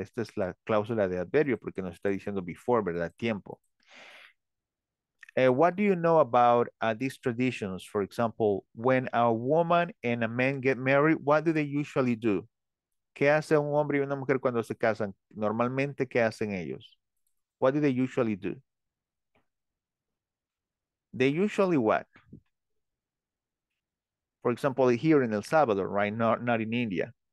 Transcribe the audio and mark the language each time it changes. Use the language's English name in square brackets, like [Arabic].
[Spanish] Esta es la cláusula de adverbio porque nos está diciendo before, ¿verdad? [English] Tiempo. What do you know about these traditions? For example, when a woman and a man get married, what do they usually do? [Spanish] ¿Qué hace un hombre y una mujer cuando se casan? Normalmente, ¿qué hacen ellos? [English] What do they usually do? They usually what? For example, here in El Salvador, right? Not in India.